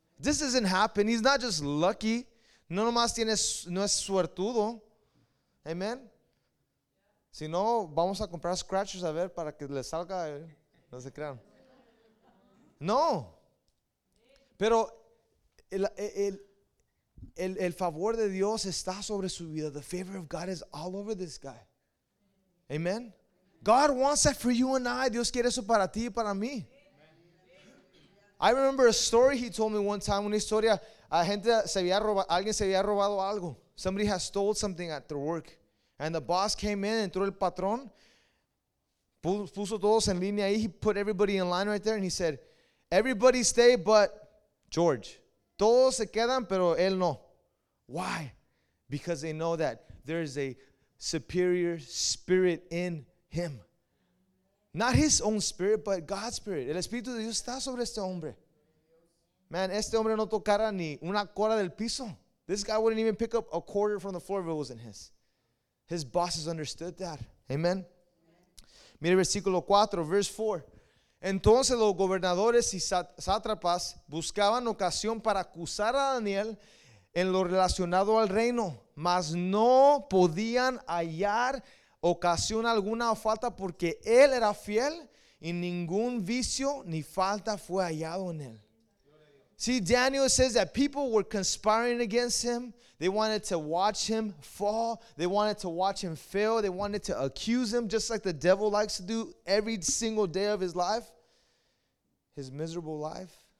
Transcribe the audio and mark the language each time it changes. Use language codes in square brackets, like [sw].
[en] This doesn't happen. He's not just lucky. [es] No nomás tienes, no es suertudo. [en] Amen. [es] Si no, vamos a comprar scratchers a ver para que le salga. No se crean. No. Pero el favor de Dios está sobre su vida. [en] The favor of God is all over this guy. Amen. God wants that for you and I. [es] Dios quiere eso para ti y para mí. [en] I remember a story he told me one time. [es] Una historia, alguien se había robado algo. [en] Somebody has stole something at their work. And the boss came in, [es] entró el patrón, puso todos en línea ahí. [en] He put everybody in line right there and he said, everybody stay but George. [es] Todos se quedan, pero él no. [en] Why? Because they know that there is a superior spirit in him. Not his own spirit, but God's spirit. [es] El Espíritu de Dios está sobre este hombre. Man, este hombre no tocara ni una cuarta del piso. [en] This guy wouldn't even pick up a quarter from the floor if it wasn't his. His bosses understood that. Amen. [es] Mire versículo 4, [en] verse 4. [es] Entonces los gobernadores y sátrapas buscaban ocasión para acusar a Daniel en lo relacionado al reino, mas no podían hallar ocasión alguna o falta porque él era fiel y ningún vicio ni falta fue hallado en él. [en] See, Daniel says that people were conspiring against him. They wanted to watch him fall. They wanted to watch him fail. They wanted to accuse him, just like the devil likes to do every single day of his life, his miserable life.